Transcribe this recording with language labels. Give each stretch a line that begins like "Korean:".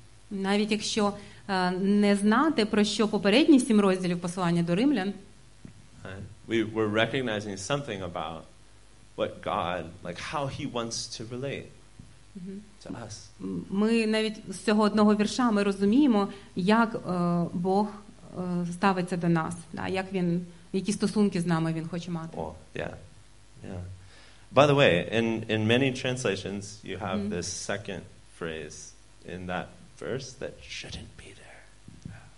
Ukrainian: Навіть якщо не знати, про що попередні 7 розділів послання до римлян,
English: we were recognizing something about what God, like how he wants to relate to us.
Ukrainian: Ми навіть з цього одного вірша ми розуміємо, як Бог ставиться до нас, да, як він, які стосунки з нами він хоче мати.
English: By the way, in many translations you have this second phrase in that verse that shouldn't be there.